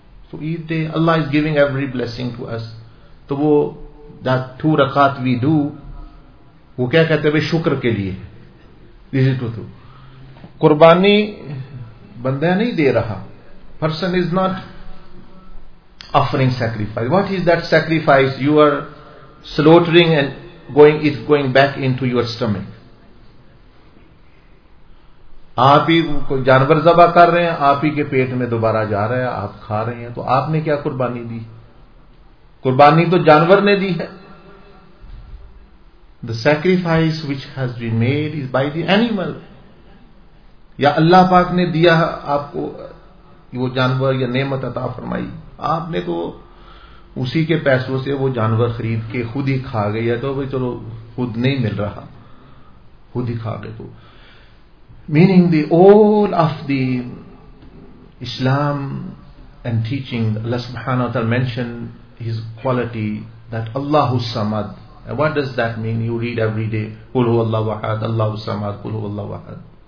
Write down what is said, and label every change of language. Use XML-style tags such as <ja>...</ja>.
<en>So Eid day, Allah is giving every blessing to us. So that two rakat we do,</en> <hi>wo kya kehte hai, shukr ke liye.</hi> <en>This is true.</en> <hi>Qurbani bandha nahi de raha.</hi> <en>Person is not offering sacrifice. What is that sacrifice? You are slaughtering and going, it's going back into your stomach.</en> <hi>आप ही जानवर ज़बह कर रहे हैं, आप ही के पेट में दोबारा जा रहा है, आप खा रहे हैं, तो आपने क्या कुर्बानी दी? कुर्बानी तो जानवर ने दी है.</hi> <en>The sacrifice which has been made is by the animal.</en> <hi>या अल्लाह पाक ने दिया आपको वो जानवर या नेमत अता फरमाई, आपने तो उसी के पैसों से वो जानवर खरीद के खुद ही खा गए, या तो भाई चलो खुद नहीं मिल रहा, खुद ही खा गए.</hi> <en>तो meaning the all of the Islam and teaching, Allah subhanahu wa ta'ala mentioned His quality, that Allahu Samad. And what does that mean? You read every day,</en> <ar>Qul huwa Allahu Ahad,</ar> <en>Allahu Samad, Qul huwa Allahu Ahad.</en>